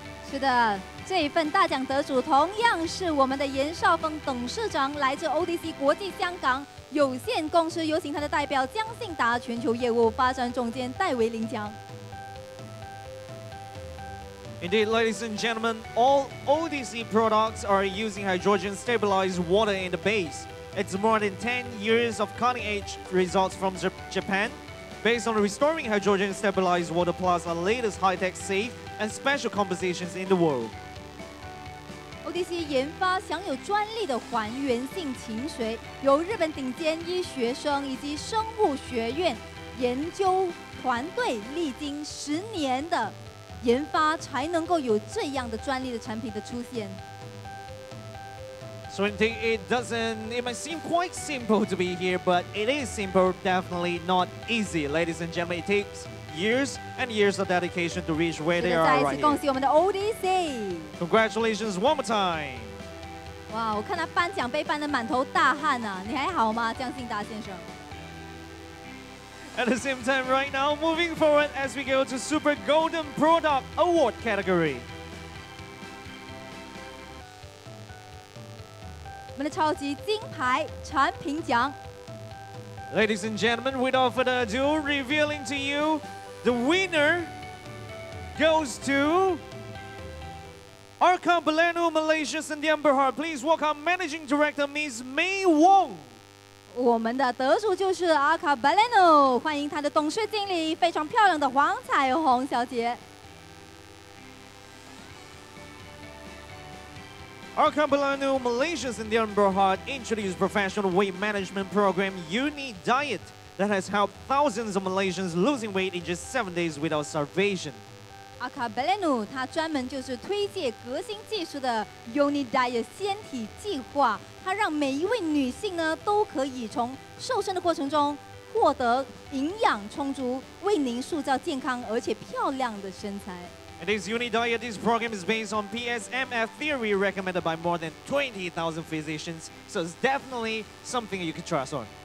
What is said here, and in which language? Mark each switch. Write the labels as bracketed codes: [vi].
[zh] 是的，这一份大奖得主同样是我们的严少峰董事长，来自 ODC 国际香港有限公司，有请他的代表江信达全球业务发展总监戴维领奖。 [en] Indeed, ladies and gentlemen, all ODC products are using hydrogen-stabilized water in the base. It's more than 10 years of cutting-edge results from Japan. Based on restoring hydrogen-stabilized water plus the latest high-tech safe and special compositions in the world. [zh] ODC 研发享有专利的还原性清水，由日本顶尖医学生以及生物学院研究团队历经十年的研发才能够有这样的专利的产品的出现。 [en] So indeed, it might seem quite simple to be here, but it is simple, definitely not easy, ladies and gentlemen. It takes years and years of dedication to reach where they are right here. [zh] 再一次恭喜我们的 ODC. [en] Congratulations one more time. [zh] 哇，我看他颁奖杯颁得满头大汗啊！你还好吗，江信达先生？ [en] At the same time, right now, moving forward as we go to Super Golden Product Award category. [zh] 我们的超级金牌产品奖。 [en] Ladies and gentlemen, without further ado, revealing to you, the winner goes to Arkham Belenu, Malaysia, and the Amber Heart. Please welcome Managing Director Ms. May Wong. [zh] 我们的得主就是阿卡巴雷诺，欢迎他的董事经理，非常漂亮的黄彩虹小姐。 [en] 阿卡巴雷诺 Malaysia's in the Amber Heart introduced professional weight management program Unique Diet that has helped thousands of Malaysians losing weight in just 7 days without starvation. [zh] 阿卡巴雷诺他专门就是推介革新技术的 Unique Diet 纤体计划。它让每一位女性呢都可以从瘦身的过程中获得营养充足，为您塑造健康而且漂亮的身材。 [en] And this Unique Diet, this program is based on PSMF theory recommended by more than 20,000 physicians, so it's definitely something you can trust on.